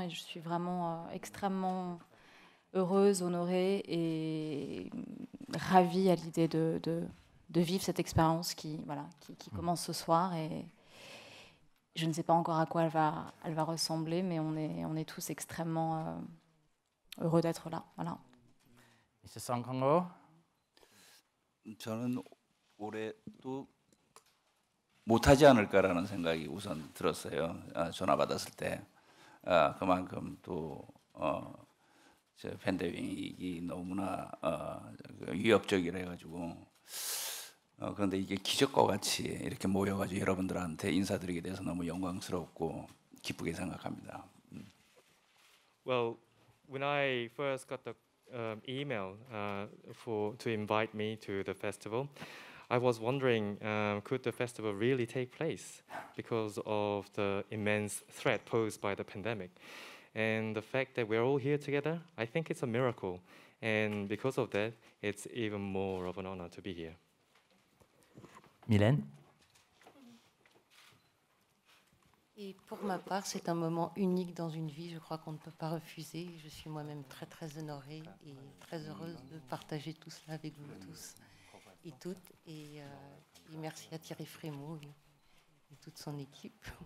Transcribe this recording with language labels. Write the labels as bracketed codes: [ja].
[fr] Et je suis vraiment extrêmement heureuse, honorée et ravie à l'idée de vivre cette expérience qui commence ce soir. Et je ne sais pas encore à quoi elle va ressembler, mais on est tous extrêmement heureux d'être là. Voilà. Monsieur Sankango. [ko] 올해 또 못하지 않을까라는 생각이 우선 들었어요. 전화 받았을 때 그만큼 또 팬데믹이 너무나 위협적이라가지고 그런데 이게 기적과 같이 이렇게 모여가지고 여러분들한테 인사드리게 돼서 너무 영광스럽고 기쁘게 생각합니다. [en] Well, when I first got the email to invite me to the festival. I was wondering, could the festival really take place because of the immense threat posed by the pandemic? And the fact that we're all here together, I think it's a miracle. And because of that, it's even more of an honor to be here. [fr] Mylène. Et pour ma part, c'est un moment unique dans une vie. Je crois qu'on ne peut pas refuser. Je suis moi-même très, très honorée et très heureuse de partager tout cela avec vous tous. Et toutes, et merci à Thierry Frémaux et toute son équipe.